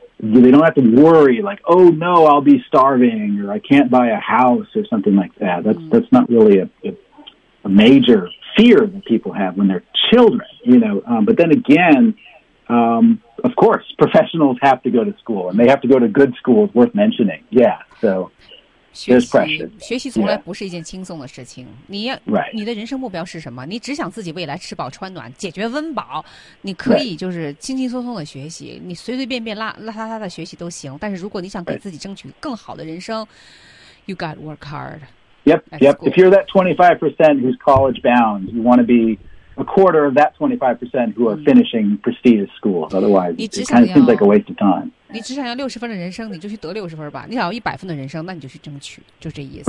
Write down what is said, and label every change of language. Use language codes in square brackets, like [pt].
[en] they don't have to worry like, oh no, I'll be starving or I can't buy a house or something like that. That's,、mm. that's not really a major fear that people have when they're children, you know,、but then again,、of course, professionals have to go to school and they have to go to good schools worth mentioning. Yeah. So. [zh] 学习从来不是一件轻松的事情、 [en] yeah. [zh] 你的人生目标是什么，你只想自己未来吃饱穿暖解决温饱，你可以就是轻轻松松的学习，你随随便便拉拉拉拉的学习都行，但是如果你想给自己争取更好的人生、 [en] right. You got work hard. Yep, yep. If you're that 25% who's college bound, you want to be a quarter of that 25% who are finishing prestigious schools. Otherwise, it kind of seems like a waste of time. [zh] 你只想要60分的人生，你就去得60分吧。你想要100分的人生，那你就去争取，就这意思。